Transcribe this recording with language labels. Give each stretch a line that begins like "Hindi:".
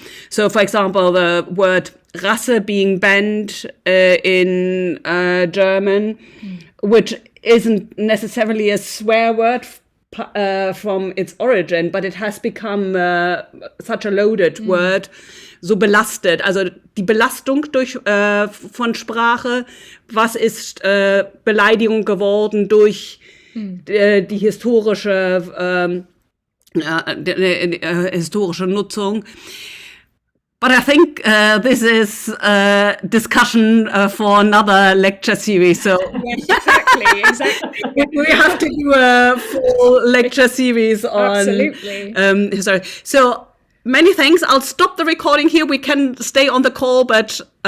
English: So, for example, the word Rasse being banned in German, which isn't necessarily a swear word from its origin, but it has become such a loaded word.
German: So belastet, also die Belastung durch von Sprache, was ist Beleidigung geworden durch die historische historische Nutzung.
English: But I think this is a discussion for another lecture series. So exactly. We have to do a full lecture series on absolutely. Sorry. So many thanks. I'll stop the recording here. We can stay on the call, but